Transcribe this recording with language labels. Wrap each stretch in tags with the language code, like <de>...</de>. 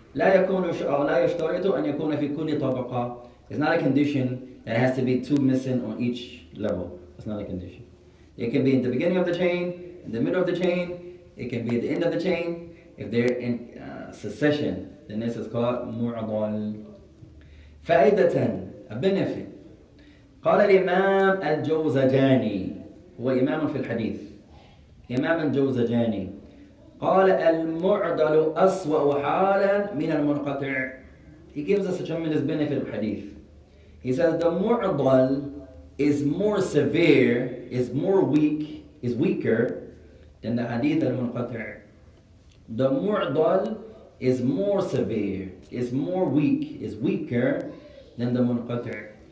<ar>لا يكون أو لا يشترط أن يكون في كل طبقة.</ar> <en>It's not a condition that has to be two missing on each level. It's not a condition. It can be in the beginning of the chain, in the middle of the chain. It can be at the end of the chain. If they're in succession, then this is called معضل.</en> <ar>فائدة,</ar> <en>a benefit.</en> <ar>قال الإمام الجوزجاني, هو إمام في الحديث. إمام الجوزجاني. قال المعضل أسوأ حالا من المنقطع.</ar> <en>He gives us a tremendous benefit of hadith. He says the معضل is more severe, is more weak, is weaker than the hadith al-munqati'. The mu'adal is more severe, is more weak, is weaker than the munqati'.</en>